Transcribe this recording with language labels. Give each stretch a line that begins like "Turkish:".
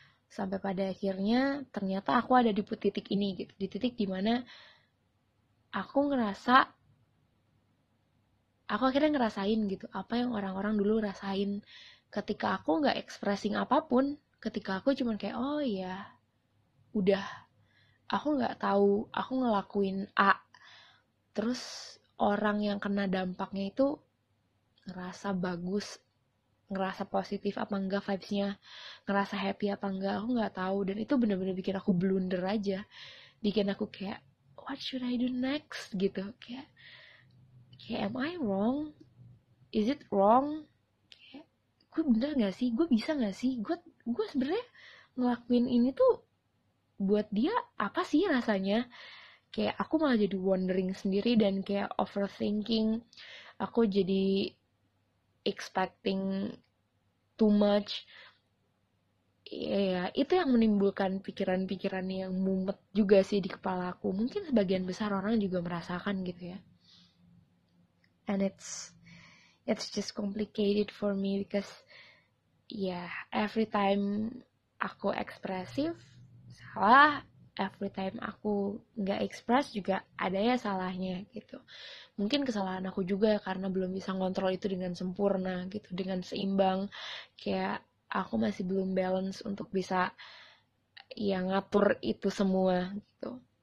Indonesian: Sampai pada akhirnya ternyata aku ada di titik ini gitu, di titik dimana aku akhirnya ngerasain gitu apa yang orang-orang dulu rasain ketika aku gak expressing apapun, ketika aku cuman kayak oh iya udah, aku gak tahu aku ngelakuin A, terus orang yang kena dampaknya itu ngerasa bagus, ngerasa positif apa enggak vibes-nya, ngerasa happy apa enggak, aku enggak tahu. Dan itu benar-benar bikin aku blunder aja. Bikin aku kayak,
English: what should I do next?
Indonesian: Gitu, kayak
English: am I wrong? Is it wrong?
Indonesian: Kayak, gue bener enggak sih? Gue bisa enggak sih? Gue sebenarnya ngelakuin ini tuh buat dia apa sih rasanya? Kayak aku malah jadi wondering sendiri dan kayak overthinking. Aku jadi
English: expecting too much.
Indonesian: Yeah, itu yang menimbulkan pikiran-pikiran yang mumet juga sih di kepala aku. Mungkin sebagian besar orang juga merasakan gitu ya.
English: And it's just complicated for me because yeah, every time
Indonesian: aku ekspresif salah,
English: every time
Indonesian: aku nggak ekspres juga ada ya salahnya gitu. Mungkin kesalahan aku juga ya karena belum bisa ngontrol itu dengan sempurna gitu, dengan seimbang. Kayak aku masih belum balance untuk bisa ya ngatur itu semua gitu.